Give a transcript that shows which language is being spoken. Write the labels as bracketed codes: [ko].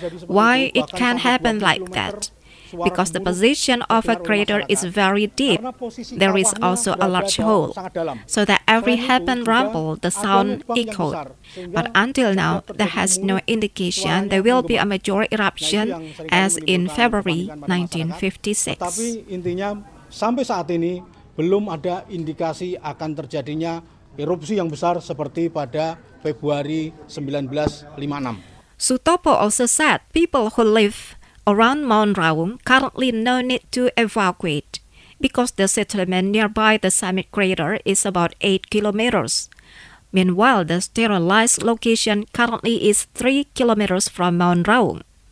[en] Why it can happen like that? Because the position of a crater is very deep, there is also a large hole, so that every happen rumble, the sound echoed. But until now, there has no indication there will be a major eruption as in February 1956. [id] Tapi intinya, sampai saat ini, belum ada indikasi akan terjadinya erupsi yang besar seperti pada Februari 1956. [en] Sutopo also said people who live around Mount Raung currently no need to evacuate because the settlement nearby the summit crater is about 8 kilometers. Meanwhile, the sterilized location currently is 3 kilometers from Mount Raung.